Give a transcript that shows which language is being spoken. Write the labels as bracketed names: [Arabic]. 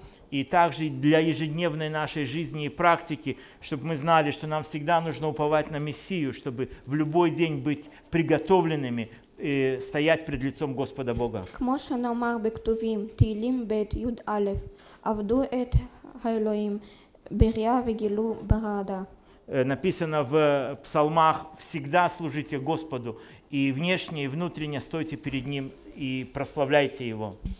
[Russian] И также для ежедневной нашей жизни и практики, чтобы мы знали, что нам всегда нужно уповать на Мессию, чтобы в любой день быть приготовленными и стоять пред лицом Господа Бога. [Hebrew] כמו שנאמר בכתובים, תהילים בית יוד א', עבדו את האלוהים בריאה וגילו ברעדה. [Russian] Написано в псалмах, всегда служите Господу, и внешне, и внутренне стойте перед Ним и прославляйте Его.